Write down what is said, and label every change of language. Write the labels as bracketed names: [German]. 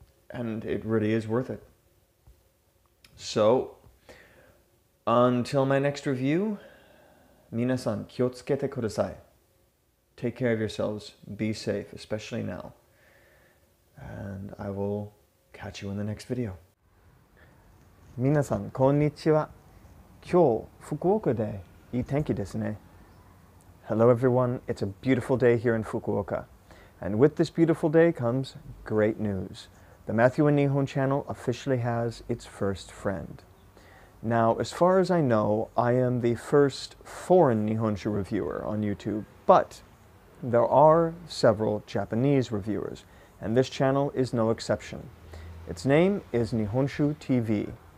[English] And it really is worth it. So, until my next review, [Japanese] 皆さん, 気をつけてください. [English] Take care of yourselves. Be safe, especially now. And I will catch you in the next video. [Japanese] 皆さん, こんにちは. 今日福岡でいい天気ですね. [English] Hello everyone, it's a beautiful day here in Fukuoka. And with this beautiful day comes great news. The Matthew and Nihon channel officially has its first friend. Now, as far as I know, I am the first foreign Nihonshu reviewer on YouTube, but there are several Japanese reviewers, and this channel is no exception. Its name is Nihonshu TV.